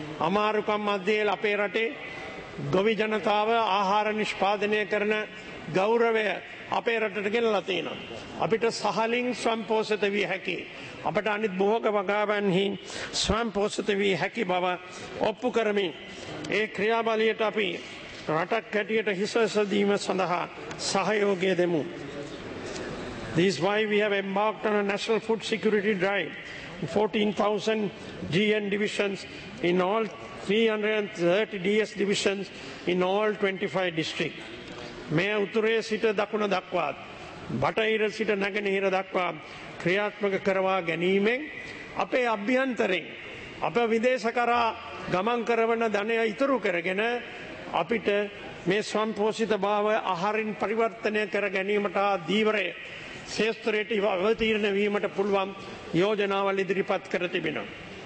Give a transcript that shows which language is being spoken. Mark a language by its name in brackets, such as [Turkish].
[Sinhala] අමාරුකම් මැදේ අපේ රටේ ගොවි ජනතාව ආහාර නිෂ්පාදනය කරන ගෞරවය අපේ රටට ගෙනලා තියෙනවා. අපිට සහලින් ස්වම්පෝෂිත විය හැකි, අපට අනිත් බොහෝක වගාවන්හි ස්වම්පෝෂිත විය හැකි බව ඔප්පු කරමින් ඒ ක්‍රියාබලියට අපි රටක් හැටියට හිසස දීම සඳහා සහයෝගය දෙමු. [English] This is why we have embarked on a national food security drive. 14,000 GN divisions in all 330 DS divisions in all 25 districts. [Sinhala] මෙය උතුරේ සිට දකුණ දක්වාත්, බටහිර සිට නැගෙනහිර දක්වාත් ක්‍රියාත්මක කරවා ගැනීමෙන් අපේ අභ්‍යන්තරයෙන් අප විදේශ කරා ගමන් කරවන ධනය ඉතුරු කරගෙන අපිට මේ ස්වම්පෝෂිත භාව ආහාරින් පරිවර්තනය කර ගැනීමට ධීවරය ශේෂ්ත්‍රයට අවතීර්ණ වීමට පුළුවන් යෝජනාවල් ඉදිරිපත් කර තිබෙනවා.